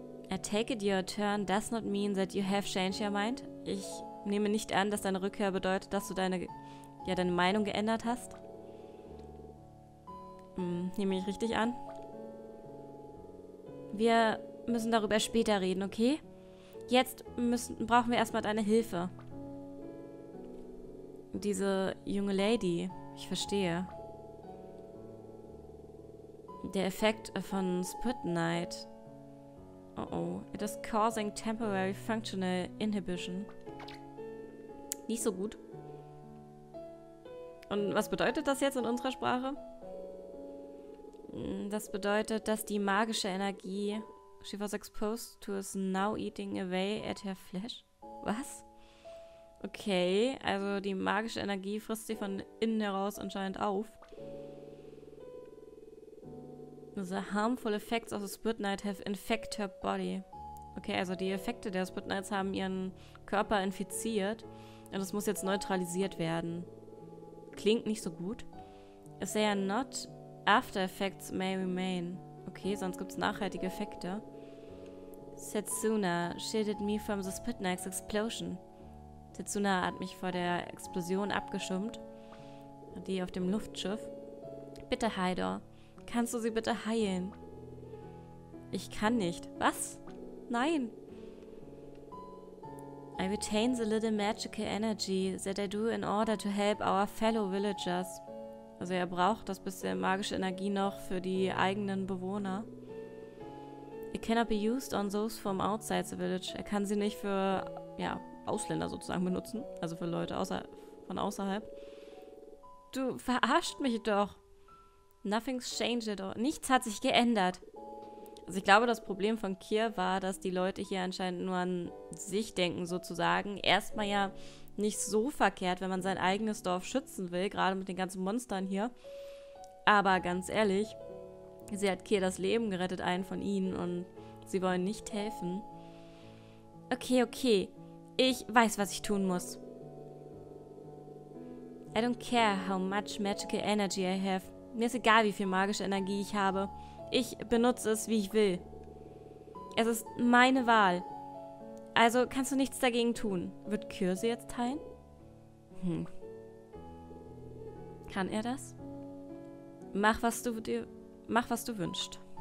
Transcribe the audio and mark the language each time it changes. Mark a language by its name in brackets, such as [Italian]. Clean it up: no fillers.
[English] I take it your turn does not mean that you have changed your mind. [German] Ich nehme nicht an, dass deine Rückkehr bedeutet, dass du deine Meinung geändert hast. Nehme ich richtig an? Wir müssen darüber später reden, okay? Jetzt brauchen wir erstmal deine Hilfe. Diese junge Lady, ich verstehe. Der Effekt von Split Night. [English] Oh, it is causing temporary functional inhibition. [German] Nicht so gut. Und was bedeutet das jetzt in unserer Sprache? Das bedeutet, dass die magische Energie... [English] She was exposed to is now eating away at her flesh. [German] Was? Okay, also die magische Energie frisst sie von innen heraus anscheinend auf. [English] The harmful effects of the Split Night have infected her body. [German] Okay, also die Effekte der Split Nights haben ihren Körper infiziert. Und es muss jetzt neutralisiert werden. Klingt nicht so gut. [English] Is there not after effects may remain? [German] Okay, sonst gibt es nachhaltige Effekte. [English] Setsuna shielded me from the Split Night's explosion. [German] Setsuna hat mich vor der Explosion abgeschirmt. Die auf dem Luftschiff. Bitte, Haidor. Kannst du sie bitte heilen? Ich kann nicht. Was? Nein. [English] I retain the little magical energy that I do in order to help our fellow villagers. [German] Also er braucht das bisschen magische Energie noch für die eigenen Bewohner. [English] It cannot be used on those from outside the village. [German] Er kann sie nicht für, ja, Ausländer sozusagen benutzen. Also für Leute außerhalb. Du verarscht mich doch. [English] Nothing's changed. [German] Nichts hat sich geändert. Also ich glaube, das Problem von Kier war, dass die Leute hier anscheinend nur an sich denken, sozusagen. Erstmal ja nicht so verkehrt, wenn man sein eigenes Dorf schützen will, gerade mit den ganzen Monstern hier. Aber ganz ehrlich, sie hat Kier das Leben gerettet, einen von ihnen, und sie wollen nicht helfen. Okay, okay. Ich weiß, was ich tun muss. [English] I don't care how much magical energy I have. [German] Mir ist egal, wie viel magische Energie ich habe. Ich benutze es, wie ich will. Es ist meine Wahl. Also kannst du nichts dagegen tun. Wird Kür sie jetzt teilen? Kann er das? Mach, was du wünschst.